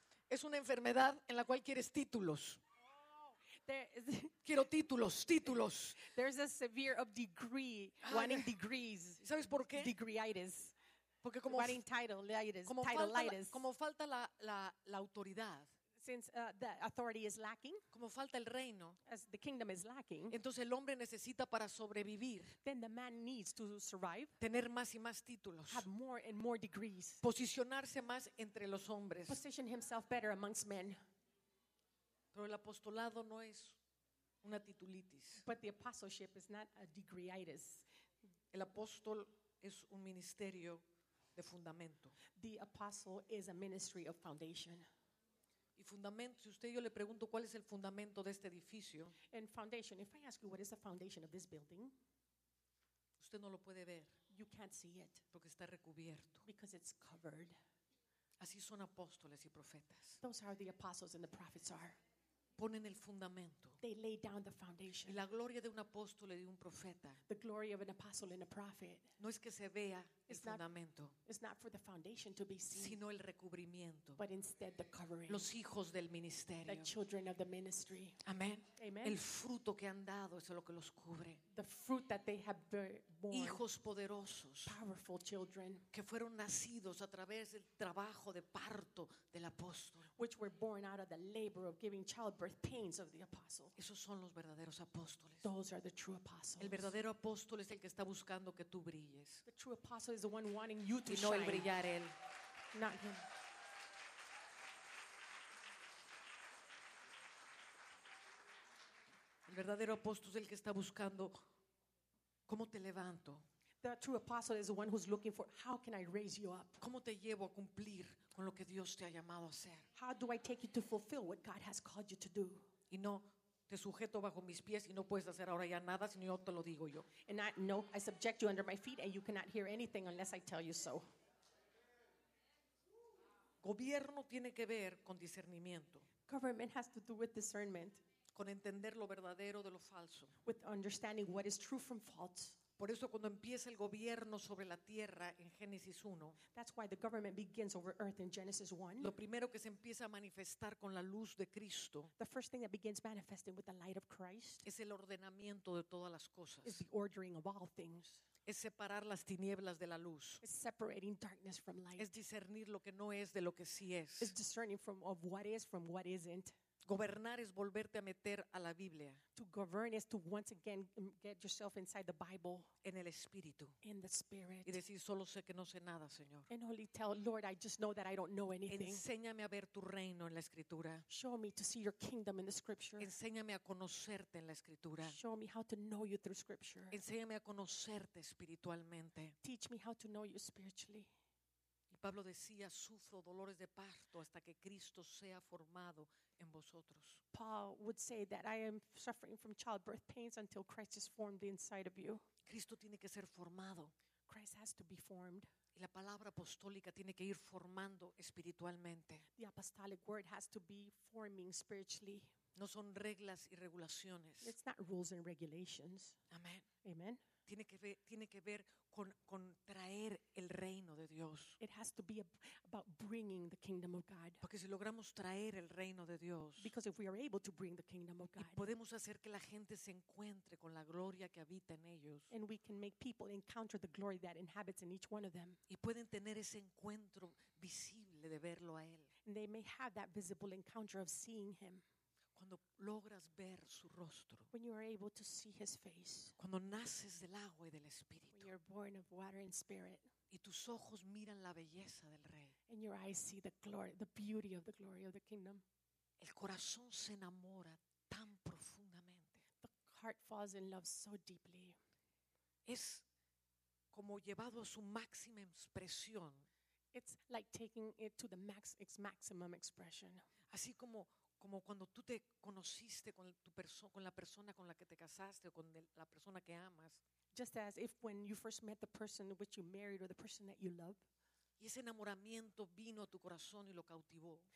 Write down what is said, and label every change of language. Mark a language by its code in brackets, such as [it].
[es] Es una enfermedad en la cual quieres títulos. Quiero títulos. [en] There's a severe of degree, wanting degrees. [es] ¿Sabes por qué? [en] Degreeitis. [es] Porque como [en] wanting titleitis. [es] Como [en] titleitis. [es] Como falta la autoridad. [en] Since the authority is lacking, [es] como falta el reino, [en] as the kingdom is lacking, [es] entonces el hombre necesita para sobrevivir, [en] then the man needs to survive, [es] tener más y más títulos, [en] have more and more degrees, [es] posicionarse más entre los hombres, [en] position himself better amongst men. [es] Pero el apostolado no es una titulitis. [en] But the apostleship is not a degreeitis. [es] El apóstol es un ministerio de fundamento. [en] The apostle is a ministry of foundation. [es] Y fundamento, si usted y yo le pregunto cuál es el fundamento de este edificio, [en] and foundation, if I ask you what is the foundation of this building, [es] usted no lo puede ver, [en] you can't see it, [es] porque está recubierto, [en] because it's covered. [es] Así son apóstoles y profetas. [en] Those are the apostles and the prophets are. [es] Ponen el fundamento. [en] They lay down the foundation. [es] Y la gloria de un apóstol y de un profeta. [en] The glory of an apostle and a prophet. [es] No es que se vea el fundamento. [en] It's not for the foundation to be seen. [es] Sino el recubrimiento. [en] But instead the covering. [es] Los hijos del ministerio. [en] The children of the ministry. [es] Amén. [en] Amen. [es] El fruto que han dado es lo que los cubre. [en] The fruit that they have borne. [es] Hijos poderosos. [en] Powerful children. [es] Que fueron nacidos a través del trabajo de parto del apóstol. [en] Which were born out of the labor of giving childbirth pains of the apostle. [es] Esos son los verdaderos apóstoles. [en] Those are the true apostles. [es] El verdadero apóstol es el que está buscando que tú brilles. [en] The true apostle is the one wanting you to [es] y no [en] shine. [es] El brillar él. [en] Not him. [es] El verdadero apóstol es el que está buscando cómo te levanto. [en] The true apostle is the one who's looking for how can I raise you up? [es] ¿Cómo te llevo a cumplir con lo que Dios te ha llamado a hacer? [en] How do I take you to fulfill what God has called you to do? [es] Y no te sujeto bajo mis pies y no puedes hacer ahora ya nada si no te lo digo yo. [en] And I subject you under my feet and you cannot hear anything unless I tell you so. [es] Gobierno tiene que ver con discernimiento. [en] Government has to do with discernment. [es] Con entender lo verdadero de lo falso. [en] With understanding what is true from false. [es] Por eso cuando empieza el gobierno sobre la tierra en Génesis 1, [en] that's why the government begins over earth in Genesis 1. [es] Lo primero que se empieza a manifestar con la luz de Cristo, [en] the first thing that begins manifesting with the light of Christ, [es] es el ordenamiento de todas las cosas. [en] Is the ordering of all things. [es] Es separar las tinieblas de la luz. [en] It's separating darkness from light. [es] Es discernir lo que no es de lo que sí es. [en] It's discerning from of what is from what isn't. [es] Gobernar es volverte a meter a la Biblia. [en] To govern is to once again get yourself inside the Bible. [es] En el Espíritu. [en] In the Spirit. [es] Y decir, solo sé que no sé nada, Señor. [en] And only tell, Lord, I just know that I don't know anything. [es] Enséñame a ver tu reino en la Escritura. [en] Show me to see your kingdom in the Scripture. [es] Enséñame a conocerte en la Escritura. [en] Show me how to know you through Scripture. [es] Enséñame a conocerte espiritualmente. [en] Teach me how to know you spiritually. [es] Y Pablo decía, sufro dolores de parto hasta que Cristo sea formado en vosotros. [en] Paul would say that I am suffering from childbirth pains until Christ is formed inside of you. [es] Cristo tiene que ser formado. [en] Christ has to be formed. [es] Y la palabra apostólica tiene que ir formando espiritualmente. [en] The apostolic word has to be forming spiritually. [es] No son reglas y regulaciones. [en] It's not rules and regulations. [es] Amen. [en] Amen. [es] Tiene que ver con traer el reino de Dios. [en] It has to be about bringing the kingdom of God. [es] Porque si logramos traer el reino de Dios, [en] because if we are able to bring the kingdom of God, [es] y podemos hacer que la gente se encuentre con la gloria que habita en ellos, [en] and we can make people encounter the glory that inhabits in each one of them, [es] y pueden tener ese encuentro visible de verlo a él, [en] and they may have that visible encounter of seeing him. [es] Cuando logras ver su rostro, [en] when you are able to see his face, [es] cuando naces del agua y del espíritu, [en] when you are born of water and spirit, [es] y tus ojos miran la belleza del rey, [en] and your eyes see the glory, the beauty of the glory of the kingdom, [es] el corazón se enamora tan profundamente, [en] the heart falls in love so deeply, [es] es como llevado a su máxima expresión, [en] it's like taking it to the max, its maximum expression, [es] así como cuando tú te conociste con tu persona, con la persona con la que te casaste o con la persona que amas. [en] Just as if when you first met the person which you married or the person that you love. [es] Y ese enamoramiento vino a tu corazón y lo cautivó.